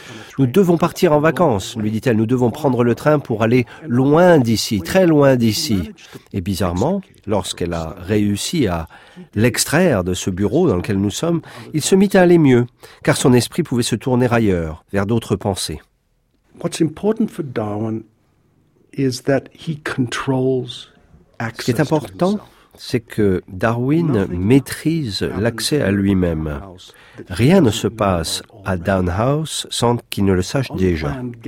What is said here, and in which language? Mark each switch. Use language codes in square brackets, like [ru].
[fr] « Nous devons partir en vacances », lui dit-elle. « Nous devons prendre le train pour aller loin d'ici, très loin d'ici. » Et bizarrement, lorsqu'elle a réussi à l'extraire de ce bureau dans lequel nous sommes, il se mit à aller mieux, car son esprit pouvait se tourner ailleurs, vers d'autres pensées. [en] What's important for Darwin is that he controls access. [fr] Ce qui est important, c'est que Darwin maîtrise l'accès à lui-même. Rien ne se passe à Down House sans qu'il ne le sache déjà.